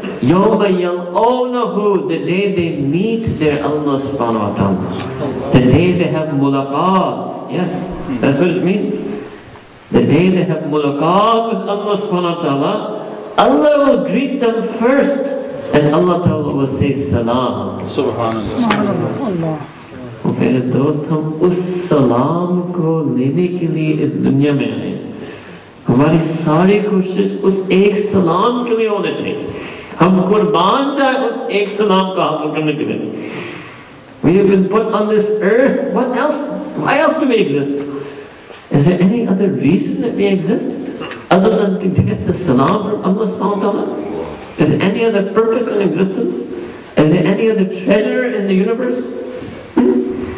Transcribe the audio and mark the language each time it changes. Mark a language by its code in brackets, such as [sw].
[ar] يَوْمَ يَلْقَوْنَهُ, [en] the day they meet their Allah subhanahu wa ta'ala. The day they have mulaqat. Yes, that's what it means. The day they have mulaqat with Allah subhanahu wa ta'ala, Allah will greet them first, and Allah ta'ala will say salam. Subhanallah. [hi] Oh, मेरे दोस्त, हम उस सलाम को लेने के लिए इस दुनिया में आये. हमारी सारी कोशिश उस एक सलाम के लिए होने चाहिए. हम क़ुर्बान जाये उस एक सलाम का हासिल करने के लिए. [en] We have been put on this earth. What else? Why else do we exist? Is there any other reason that we exist other than to get the salam from Allah subhanahu wa ta'ala? Is there any other purpose in existence? Is there any other treasure in the universe?